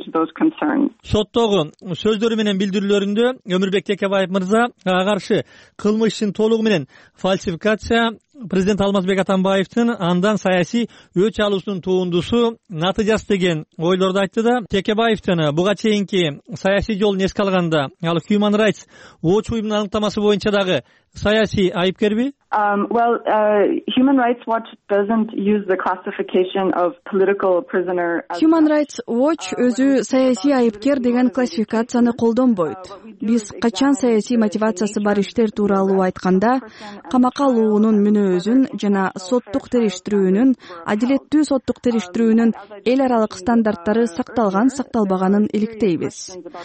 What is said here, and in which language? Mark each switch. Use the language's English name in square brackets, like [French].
[Kyrgyz] Соттогу сөздөрү менен билдирүүлөрүндө Өмүрбек Текебаев мырза ага каршы кылмыш ишин толугу менен фальсификация, президент Алмазбек Атамбаевдин андан саясий өч алуусунун туундусу натыйжасы деген ойлорду айтты да. Текебаевдин буга чейинки саясий жолун эске алганда ал Human Rights Watch уюмунун аныктамасы боюнча дагы саясий айыпкерби? [English] Human Rights Watch doesn't use the classification of political prisoner. [Kyrgyz] Human Rights Watch өзү саясий айыпкер деген классификацияны колдонбойт. Биз качан саясий мотивациясы бар иштер тууралуу айтканда, камакка алуунун мүнөзүн жана соттук териштирүүнүн, адилеттүү соттук териштирүүнүн эл аралык стандарттары сакталган, сакталбаганын иликтейбиз.